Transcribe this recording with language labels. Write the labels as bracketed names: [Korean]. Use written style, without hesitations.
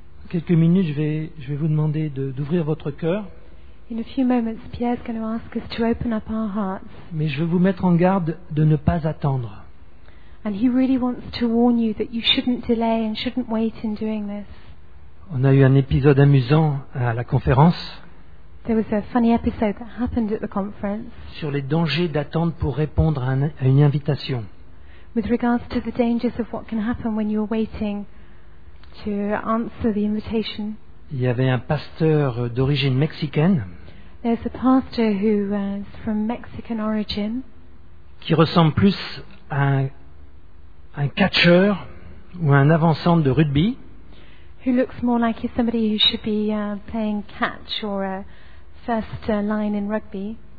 [French] Quelques minutes, je vais vous demander d'ouvrir votre cœur. [English] In a few moments, Pierre's going to ask us to open up our hearts. [French] Mais je veux vous mettre en garde de ne pas attendre. [English] And he really wants to warn you that you shouldn't delay and shouldn't wait in doing this. [French] On a eu un épisode amusant à la conférence. [English] There was a funny episode that happened at the conference. [French] Sur les dangers d'attendre pour répondre à une invitation. [English] With regards to the dangers of what can happen when you're waiting to answer the invitation. [French] Il y avait un pasteur d'origine mexicaine. [English] There's a pastor who is from Mexican origin. [French] Qui ressemble plus à un catcheur ou un avançant de rugby. [English] Who looks more like somebody who should be playing catch or a first line in rugby.